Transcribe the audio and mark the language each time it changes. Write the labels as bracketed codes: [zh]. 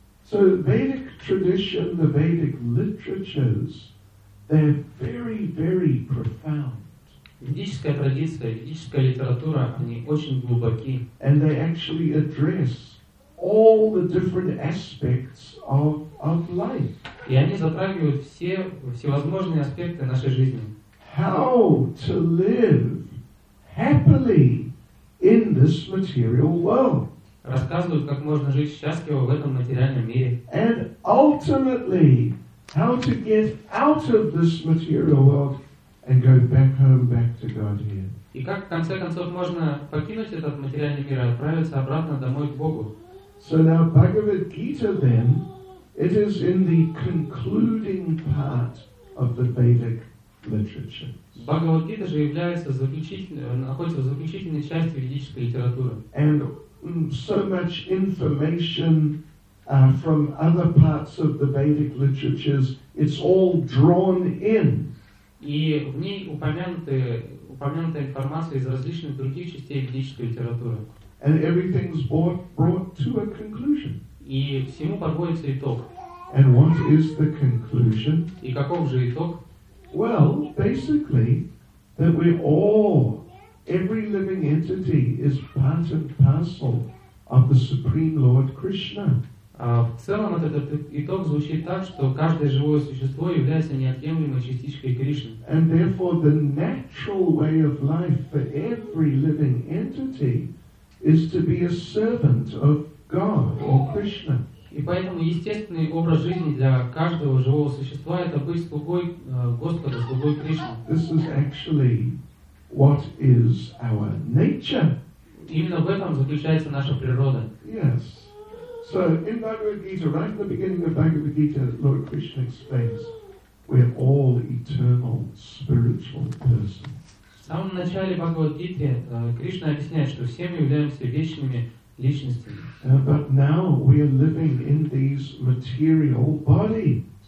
[en] So Vedic tradition, the Vedic literatures, they're very, very profound. [ru] Ведическая традиция, ведическая литература, они очень глубоки. [en] And they actually address all the different aspects of life. [ru] И они затрагивают все всевозможные аспекты нашей жизни. [en] How to live happily in this material world. [ru] Рассказывают, как можно жить счастливо в этом материальном мире. [en] And ultimately, how to get out of this material world and go back home, back to Godhead. [ru] И как, в конце концов, можно покинуть этот материальный мир и отправиться обратно домой к Богу. [en] So now, Bhagavad Gita, then, it is in the concluding part of the Vedic literature. [ru] Bhagavad Gita же является заключительной, находится в заключительной части ведической литературы. [en] And so much information from other parts of the Vedic literatures, it's all drawn in. [ru] И в ней упомянута информация из различных других частей ведической литературы. [en] And everything's brought to a conclusion. [ru] И всему подводится итог. [en] And what is the conclusion? [ru] И каков же итог? [en] Well, basically, that we all, every living entity is part and parcel of the Supreme Lord Krishna. [ru] В целом этот итог звучит так, что каждое живое существо является неотъемлемой частичкой Кришны. [en] And therefore the natural way of life for every living entity is to be a servant of God or Krishna. [ru] И поэтому естественный образ жизни для каждого живого существа это быть слугой Господа, слугой Кришны. [en] This is actually what is our nature. [ru] Именно в этом заключается наша природа. [en] Yes. So in Bhagavad Gita, right in the beginning of Bhagavad Gita, Lord Krishna explains, we're all eternal spiritual persons. [ru] В самом начале Бхагавад Гиты Кришна объясняет, что все мы являемся вечными личностями. [en] But now we are living in these material bodies.